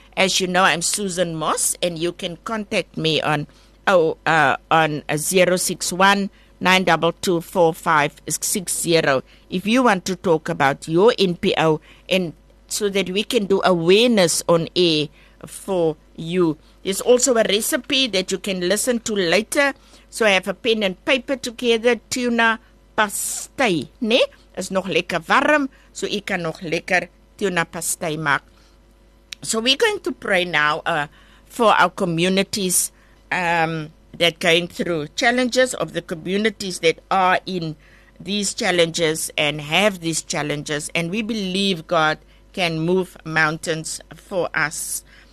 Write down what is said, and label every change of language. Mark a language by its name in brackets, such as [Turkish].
[English] As you know, I'm Susan Moss and you can contact me on 061-922-4560 if you want to talk about your NPO and so that we can do awareness on air for you. There's also a recipe that you can listen to later. So I have a pen and paper together, tuna pastai, né? [Afrikaans] Is nog lekker warm, so ek kan nog lekker tuna pastai maak. [English] So we're going to pray now for our communities that going through challenges of the communities that are in these challenges and have these challenges. And we believe God can move mountains for us.